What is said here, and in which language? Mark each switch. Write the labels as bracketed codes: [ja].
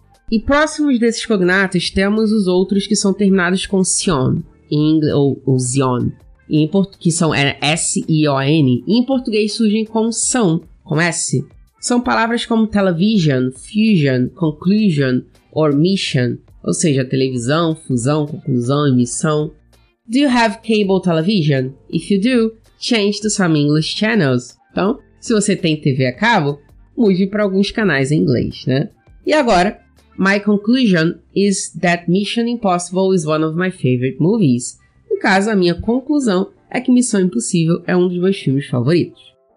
[pt] E próximos desses cognatos, temos os outros que são terminados com sion, ou zion, que são S-I-O-N, e em português surgem com são, com S. São palavras como television, fusion, conclusion, or mission, ou seja, televisão, fusão, conclusão, emissão. [en] Do you have cable television? If you do, change to some English channels. [pt] Então, se você tem TV a cabo, mude para alguns canais em inglês, né? E agora, [en] my conclusion is that Mission Impossible is one of my favorite movies. [pt] No caso, a minha conclusão é que Missão Impossível é um dos meus filmes favoritos.